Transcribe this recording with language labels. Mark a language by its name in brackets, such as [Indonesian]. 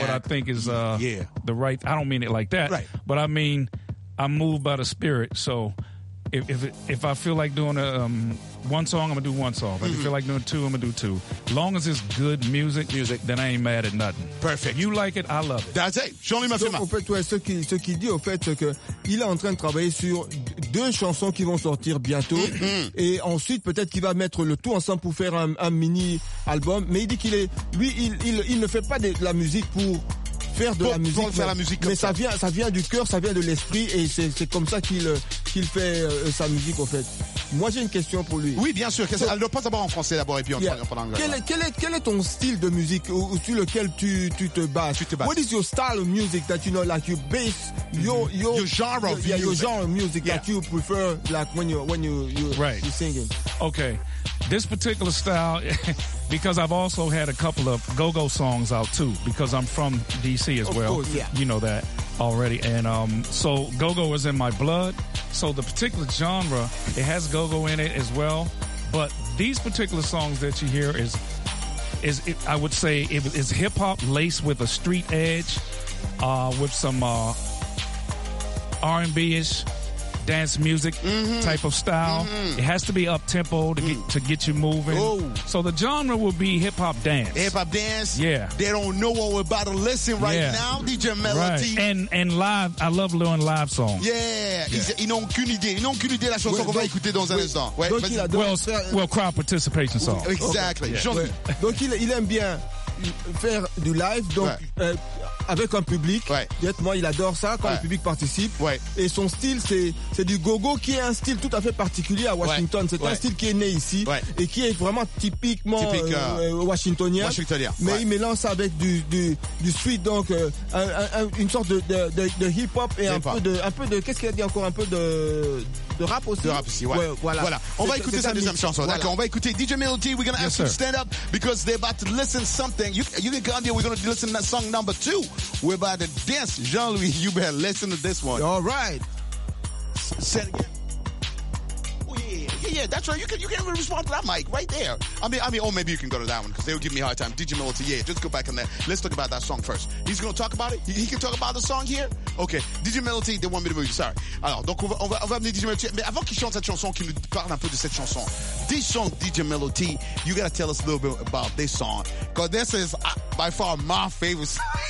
[English] And what I think is the right, I don't mean it like that. Right. But I mean, I move by the spirit. So if I feel like doing one song, I'm going to do one song. Mm-hmm. If I feel like doing two, I'm going to do two. Long as it's good music, then I ain't mad at nothing. Perfect. You like it, I love it. That's it. Show me my film. [French] En fait, ce qu'il dit, en fait, c'est qu'il est en train de travailler sur deux chansons qui vont sortir bientôt. Mm-hmm. Et ensuite, peut-être qu'il va mettre le tout ensemble pour faire un mini-album. Mais il dit qu'il est... Lui, il ne fait pas de la musique pour... faire de pour, la musique, pour faire la musique mais ça. ça vient du cœur, ça vient de l'esprit et c'est comme ça qu'il fait sa musique en fait. Moi j'ai une question pour lui. Oui bien sûr. Elle ne passe d'abord en français d'abord et puis en anglais. Quel est ton style de musique sur lequel tu te bases? [English] What is your style of music that you know like you base your genre of music? Your genre of music that you prefer like when you you're singing. Okay. This particular style, because I've also had a couple of go-go songs out too, because I'm from D.C. as well. Of course, yeah. You know that already. And so go-go is in my blood. So the particular genre, it has go-go in it as well. But these particular songs that you hear is hip-hop laced with a street edge, with some R&B-ish. Dance music type of style. Mm-hmm. It has to be up tempo to get you moving. Ooh. So the genre will be hip hop dance. Hip hop dance. Yeah. They don't know what we're about to listen now, DJ Melody. Right. And live, I love doing live songs. [French] Yeah. Ils n'ont qu'une idée. Ils n'ont qu'une idée la chanson qu'on va écouter dans un instant. [English] Well, crowd participation song. Exactly. [French] Donc il aime bien faire du live, donc avec un public. Honnêtement, il adore ça quand le public participe. Et son style, c'est du gogo, qui est un style tout à fait particulier à Washington. C'est un style qui est né ici et qui est vraiment typiquement washingtonien. Mais il mélange ça avec du sweet, donc une sorte de hip hop et un peu de qu'est-ce qu'il a dit encore, un peu de rap aussi. De rap aussi, voilà. On va écouter sa deuxième chanson. D'accord. On va écouter DJ Melody. [English] We're gonna ask you to stand up because they're about to listen something. You can come here. We're gonna listen to song number two. We're about to dance. Jean-Louis, you better listen to this one. All right. Say it again. Yeah, that's right. You can even respond to that mic right there. I mean, maybe you can go to that one because they'll give me a hard time. DJ Melody, just go back in there. Let's talk about that song first. He's going to talk about it? He can talk about the song here? Okay. DJ Melody, they want me to move. Sorry. [French] Alors, donc, on va amener DJ Melody. Mais avant qu'il chante cette chanson, qu'il nous parle un peu de cette chanson. [English] This song, DJ Melody, you got to tell us a little bit about this song. Because this is by far my favorite song.